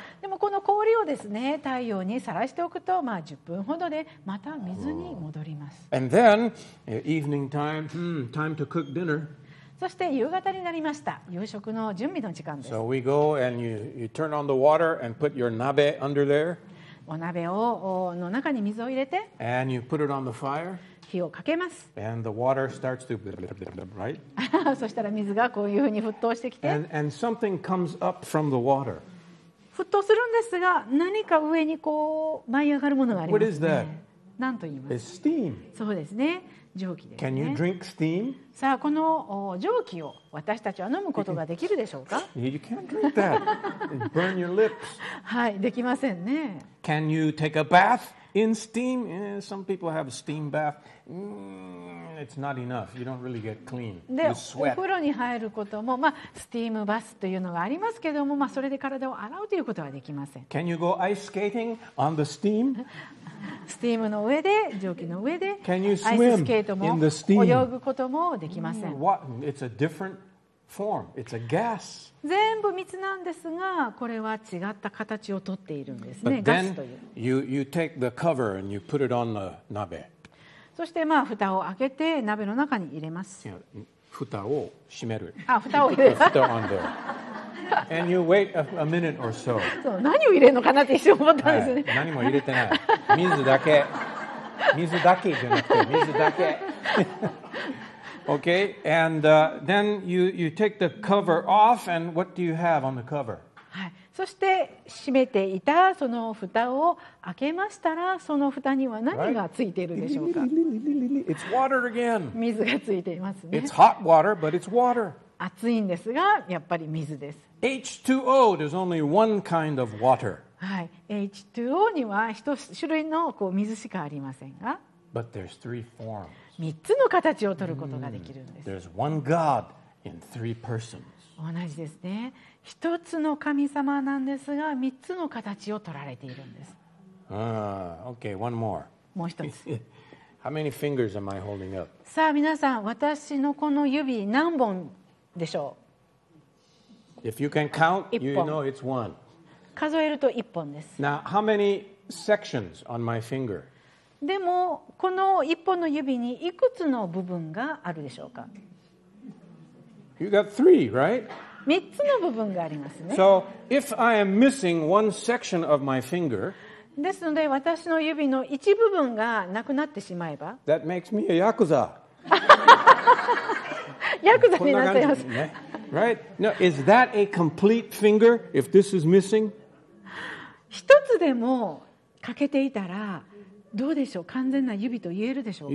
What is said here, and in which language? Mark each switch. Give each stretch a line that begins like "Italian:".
Japanese: でもこの氷をですね、太陽にさらしておくと、まあ10分ほどでまた水に戻ります。
English: And then, evening time, time to cook dinner.
Japanese: そして夕方になりました。夕食の準備の時間です。
English: So we go and you turn on the water and put your 鍋 under there.
Japanese: お鍋をの中に水を入れて。
English: And you put it on the fire.
Japanese: 火をかけます。
English: And the water starts to right.
Japanese: そしたら水がこういうふうに沸騰してきて。
English: And something comes up from the water.
Japanese: 沸騰するんですが、何か上にこう舞い上がるものがありますね。何と言いますか。
English: Steam.
Japanese: そうですね、蒸気ですね。
English: Can you drink steam?
Japanese: さあ、この蒸気を私たちは飲むことができるでしょうか。
English: You can't drink that. Burn your lips.
Japanese: はい、できませんね。
English: Can you take a bath in steam? Some people have a steam bath. It's not enough. You don't really get clean.
Japanese: で、お風呂に入ることも、まあ、スティームバスというのがありますけども、まあ、それで体を洗うということはできません。
English: Can you go ice skating on the steam?
Japanese: スティームの上で、蒸気の上で、
English: Can you swim
Japanese: アイススケートも
English: in the steam?
Japanese: 泳ぐこともできません。
English: It's a different form. It's a gas.
Japanese: 全部水なんですが、これは違った形をとっているんですね。ガスという。
English: But then you take the cover and you put it on the 鍋。
Japanese: そしてまあ蓋を開けて鍋の中に入れます。蓋を閉める。あ、蓋を入れる。
English: 蓋 on there. And you wait a minute or so.
Japanese: そう、何を入れるのかなって一瞬思ったんですね、はい。何も入れてない。水だけ。水だけじゃなくて水だけ。
English: okay. And then you take the cover off. And what do you have on the cover?
Japanese: はい、そして閉めていたその蓋を開けましたら、その蓋には何がついているでしょうか。
English: It's water again.
Japanese: 水がついていますね。
English: It's hot water, but it's water.
Japanese: 熱いんですが、やっぱり水です。
English: H2O, there's only one kind of water.
Japanese: はい、H2O には一種類のこう水しかありませんが。
English: But there's three forms.
Japanese: 三つの形を取ることができるんです。
English: There's one God in three persons.
Japanese: 同じですね。一つの神様なんですが、三つの形を取られているんです。
English: Okay, one more.
Japanese: もう一つ。
English: How many fingers am I holding up?
Japanese: さあ皆さん、私のこの指何本でしょう。
English: If you can count, you know it's one.
Japanese: 数えると一本です。
English: Now, how many sections on my finger?
Japanese: でもこの一本の指にいくつの部分があるでしょうか。
English: You got three, right?
Japanese: 三つの部分がありますね。
English: So if I am missing one section of my finger,
Japanese: ですので私の指の一部分がなくなってしまえば、
English: that makes me a yakuza.
Japanese: ヤクザになっちゃいます。
English: Right? Now, is that a complete finger if this is missing?
Japanese: 一つでも欠けていたら。どうでしょう、完全な指と言えるでしょうか。